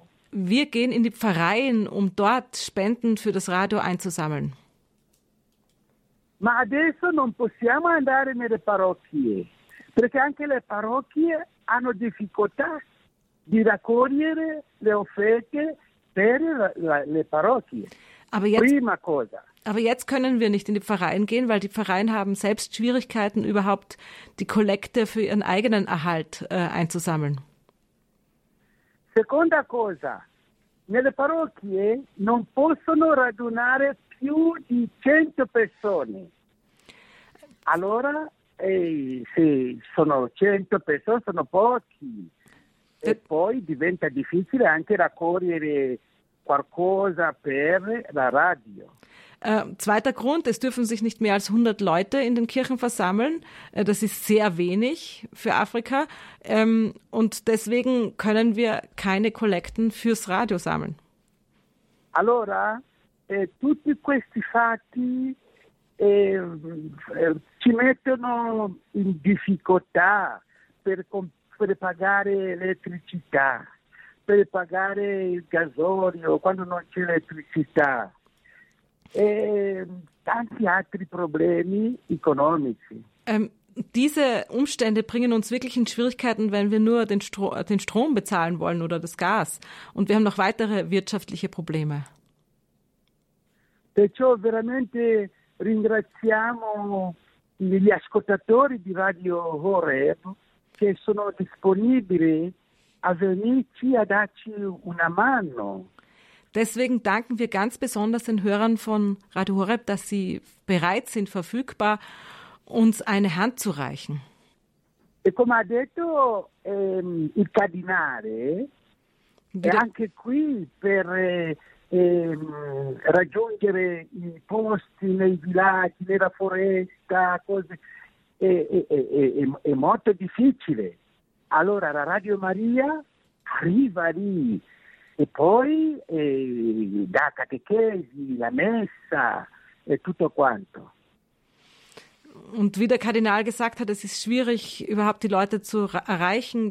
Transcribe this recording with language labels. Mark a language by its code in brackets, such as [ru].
[de] Wir gehen in die Pfarreien, um dort Spenden für das Radio einzusammeln. [it] Ma adesso non possiamo andare nelle parrocchie, perché anche le parrocchie hanno difficoltà di raccogliere le offerte per le parrocchie. [de] Aber jetzt, [it] prima cosa. [de] Aber jetzt können wir nicht in die Pfarreien gehen, weil die Pfarreien haben selbst Schwierigkeiten, überhaupt die Kollekte für ihren eigenen Erhalt einzusammeln. [it] Seconda cosa, nelle parrocchie non possono radunare più di 100 persone. Allora, se sono 100 persone, sono pochi. E poi diventa difficile anche raccogliere qualcosa per la radio. [de] Zweiter Grund, es dürfen sich nicht mehr als 100 Leute in den Kirchen versammeln. Das ist sehr wenig für Afrika. Und deswegen können wir keine Kollekten fürs Radio sammeln. [it] Allora, tutti questi fatti ci mettono in difficoltà per per pagare l'elettricità, per pagare il gasolio quando non c'è elettricità e tanti altri problemi economici. [de] Diese Umstände bringen uns wirklich in Schwierigkeiten, wenn wir nur den Strom bezahlen wollen oder das Gas. Und wir haben noch weitere wirtschaftliche Probleme. [it] Perciò veramente ringraziamo gli ascoltatori di Radio Horeb, che sono disponibili a venirci a darci una mano. [de] Deswegen danken wir ganz besonders den Hörern von Radio Horeb, dass sie bereit sind, verfügbar uns eine Hand zu reichen. [it] E come ha detto il cardinale, e anche qui per raggiungere i posti nei villaggi, nella foresta, cose è molto difficile. Allora la Radio Maria arriva lì e poi dà catechesi, la messa e tutto quanto. [de] Und wie der Kardinal gesagt hat, es ist schwierig, überhaupt die Leute zu erreichen.